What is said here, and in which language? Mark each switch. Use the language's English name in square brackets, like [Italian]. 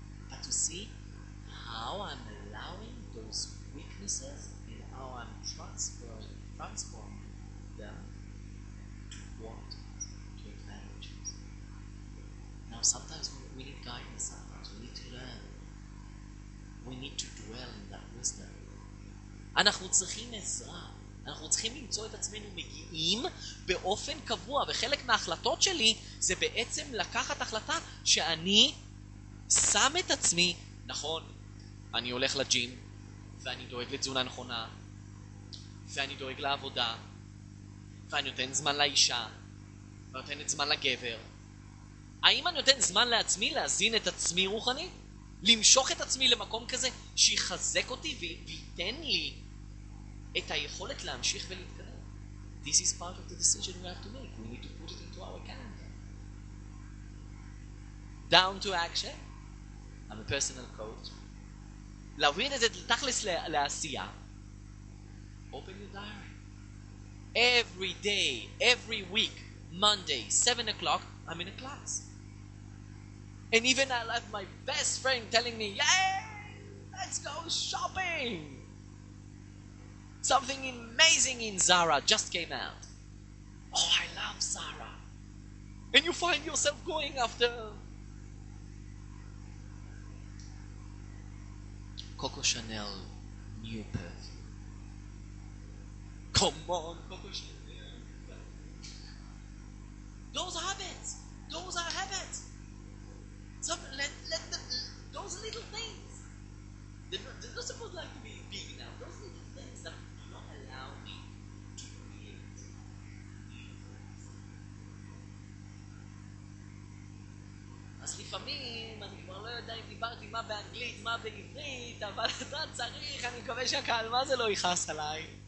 [English] But to see how I'm allowing those weaknesses and how I'm transforming them to what? To advantages. Now sometimes we need guidance, sometimes we need to learn. We need to dwell in that wisdom. [Hebrew] אנחנו צריכים עזרה. אנחנו צריכים למצוא את עצמנו מגיעים באופן קבוע, וחלק מההחלטות שלי זה בעצם לקחת החלטה שאני שם את עצמי, נכון, אני הולך לג'ים, ואני דואג לתזונה נכונה, ואני דואג לעבודה, ואני נותן זמן לאישה, ואני נותן את זמן לגבר. האם אני נותן זמן לעצמי להזין את עצמי רוחני? למשוך את עצמי למקום כזה שיחזק אותי וייתן לי את היכולת להמשיך ולהתקדם? [English] This is part of the decision we have to make. We need to put it into our calendar. Down to action. I'm a personal coach. [Hebrew] להוביל את זה תכלס לעשייה. [English] Open your diary. Every day, every week, Monday, 7 o'clock, I'm in a class. And even I left my best friend telling me, yay, let's go shopping. Something amazing in Zara just came out. Oh, I love Zara. And you find yourself going after Coco Chanel new perfume. Come on, Coco Chanel. Those habits. Those are habits. Let them, those little things. They're not supposed like to be big now. Those little things that do not allow me to create new things. As if I mean, [Hebrew] לא יודע אם דיברתי מה באנגלית, מה בעברית, אבל אתה צריך, אני מקווה שהקהל, מה זה לא ייחס עליי?